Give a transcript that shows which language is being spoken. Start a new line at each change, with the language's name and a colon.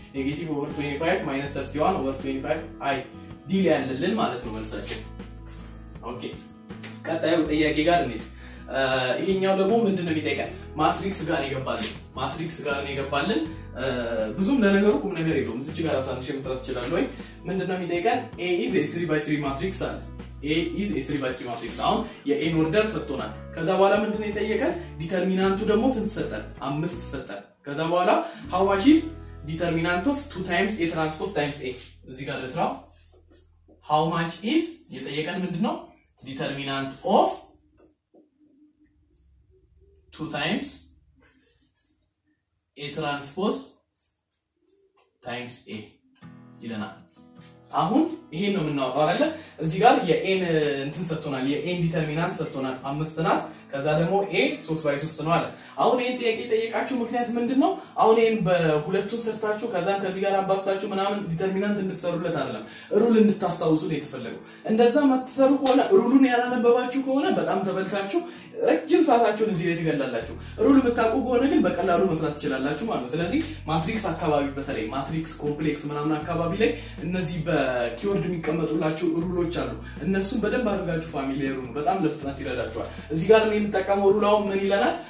Amharic: ኔጌቲቭ over 25 minus 31 over 25 i d ላይ ያለልን ማለት ነው መልሳችን። ኦኬ ቀጣዩ ጥያቄ ጋር እንሂድ። ይሄኛው ደግሞ ምንድነው የሚጠይቀን? ማትሪክስ ጋር ይገባልን። ማትሪክስ ጋር ነው ይገባልን። ብዙም ለነገሩ ቁም ነገር የለውም። እዚች ጋር አሳንሽ መስራት ይችላል ወይ? ምንድነው የሚጠይቀን?
English: a is a 3 by 3 matrix አለ። a is a 3 by 3 matrix
Amharic: አሁን የa ን ኦርደር ሰጥቶናል። ከዛ በኋላ ምንድነው የጠየቀን? ዲተርሚናንቱ ደግሞ ስንት ሰጠን? 5 ሰጠን። ከዛ በኋላ
English: how much is determinant of 2 times a
Amharic: transpose times a እዚህ ጋር ለስራ
English: how much is
Amharic: የጠየቀን ምንድነው?
English: determinant of 2 times a transpose times a
Amharic: ይለናል። አሁን ይሄን ነው የምናወጣው አይደለ? እዚህ ጋር የኤን እንትን ሰጥቶናል የኤን ዲተርሚናንት ሰጥቶናል 5 ናት ከዛ ደግሞ ኤ 3 ባይ 3 ነው አለ። አሁን ይሄን ጥያቄ ጠየቃችሁ ምክንያት ምንድነው? አሁን ይሄን በሁለቱ ሰርታችሁ ከዛ ከዚህ ጋር አባስታችሁ ምናምን ዲተርሚናንት እንድትሰሩለት አይደለም ሩል እንድታስተውሉ ነው የተፈለገው። እንደዛ ማትሰሩ ከሆነ ሩሉን ያላነበባችሁ ከሆነ በጣም ተበልታችሁ ረጅም ሰዓታችሁን እዚህ ላይ ትገላላችሁ። ሩል ብታቁ ከሆነ ግን በቀላሉ መስራት ትችላላችሁ ማለት ነው። ስለዚህ ማትሪክስ አካባቢ በተለይ ማትሪክስ ኮምፕሌክስ ምናምን አካባቢ ላይ እነዚህ በኪወርድ የሚቀመጡላችሁ ሩሎች አሉ። እነሱን በደንብ አድርጋችሁ ፋሚሊየር ሁኑ በጣም ለፍጥነት ይረዳችኋል። እዚህ ጋር ነው የምጠቀመው ሩላው ምን ይላል?